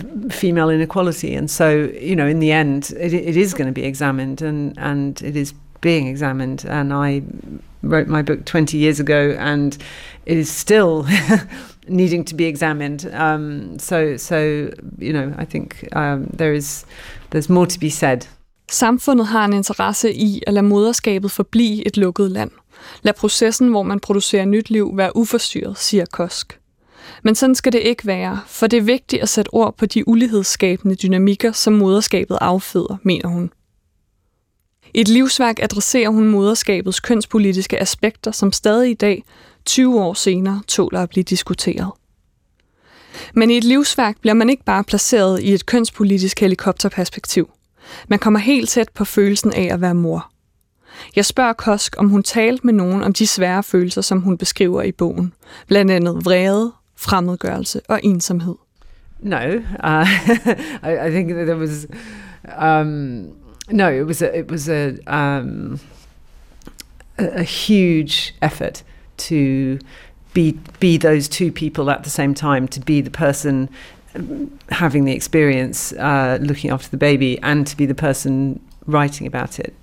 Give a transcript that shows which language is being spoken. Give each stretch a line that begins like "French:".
English: female inequality, and so, you know, in the end it is going to be examined, and it is being examined, and I wrote my book 20 years ago and it is still needing to be examined, so you know, I think there's more to be said.
Danish: Samfundet har en interesse i at lade moderskabet forblive et lukket land. Lad processen, hvor man producerer nyt liv, være uforstyrret, siger Kosk. Men sådan skal det ikke være, for det er vigtigt at sætte ord på de ulighedsskabende dynamikker, som moderskabet afføder, mener hun. I et livsværk adresserer hun moderskabets kønspolitiske aspekter, som stadig i dag, 20 år senere, tåler at blive diskuteret. Men i et livsværk bliver man ikke bare placeret i et kønspolitisk helikopterperspektiv. Man kommer helt tæt på følelsen af at være mor. Jeg spørger Kosk, om hun talte med nogen om de svære følelser, som hun beskriver i bogen. Blandt andet vrede, fremmedgørelse og ensomhed.
English: No, I think that there was, no, it was a huge effort to be those two people at the same time, to be the person having the experience looking after the baby and to be the person writing about it.